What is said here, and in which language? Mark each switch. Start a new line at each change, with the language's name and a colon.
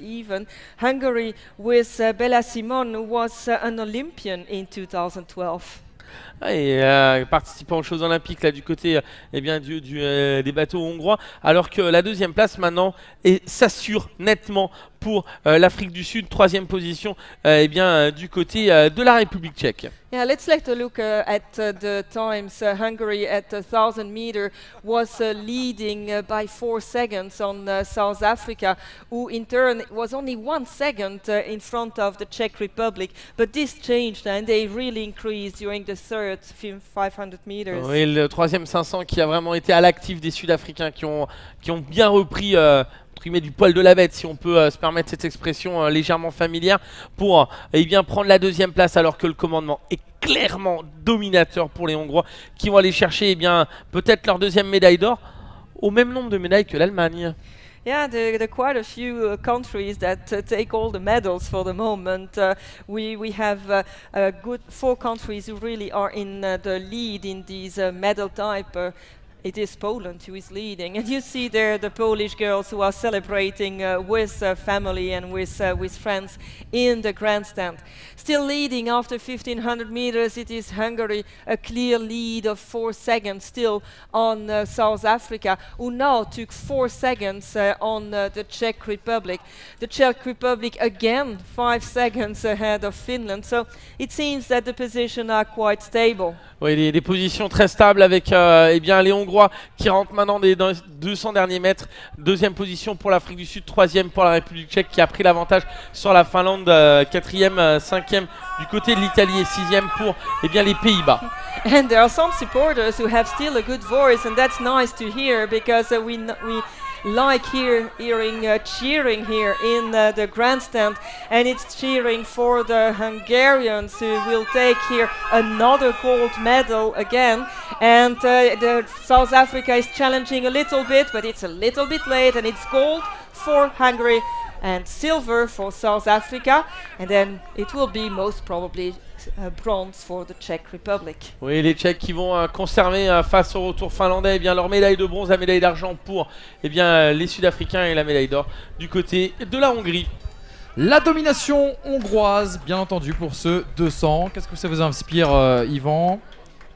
English: Even Hungary with Bella Simon, who was an Olympian in 2012.
French: Et participant aux Jeux Olympiques là du côté eh bien, des bateaux hongrois, alors que la deuxième place maintenant s'assure nettement pour l'Afrique du Sud, troisième position eh bien, du côté de la République tchèque.
English: Yeah, let's take a look at the times. Hungary at 1,000 meter was leading by 4 seconds on South Africa, who in turn was only 1 second in front of the Czech Republic. But this changed and they really increased during the third 500 meters.
French: Oui, le troisième 500 qui a vraiment été à l'actif des Sud-Africains qui ont bien repris du poil de la bête, si on peut se permettre cette expression légèrement familière, pour bien prendre la deuxième place, alors que le commandement est clairement dominateur pour les Hongrois, qui vont aller chercher eh bien peut-être leur deuxième médaille d'or, au même nombre de médailles que l'Allemagne.
English: Yeah, there are quite a few countries that take all the medals for the moment. We have a good 4 countries who really are in the lead in these medal type. It is Poland who is leading, and you see there the Polish girls who are celebrating with family and with friends in the grandstand. Still leading after 1500 meters, it is Hungary, a clear lead of 4 seconds still on South Africa, who now took 4 seconds on the Czech Republic. The Czech Republic again 5 seconds ahead of Finland, so it seems that the positions are quite stable.
French: Oui, des positions très stables avec eh bien, les Hongrois qui rentrent maintenant dans les 200 derniers mètres. Deuxième position pour l'Afrique du Sud, troisième pour la République tchèque qui a pris l'avantage sur la Finlande. Quatrième, cinquième du côté de l'Italie et sixième pour eh bien, les Pays-Bas.
English: And there are some supporters who have still a good voice, and that's nice to hear because we like hearing cheering here in the grandstand, and it's cheering for the Hungarians who will take here another gold medal again. And the South Africa is challenging a little bit, but it's a little bit late, and it's gold for Hungary and silver for South Africa, and then it will be most probably bronze for the Czech Republic.
French: Oui, les Tchèques qui vont conserver face au retour finlandais eh bien, leur médaille de bronze, la médaille d'argent pour eh bien, les Sud-Africains et la médaille d'or du côté de la Hongrie. La domination hongroise, bien entendu, pour ce 200. Qu'est-ce que ça vous inspire, Yvan ?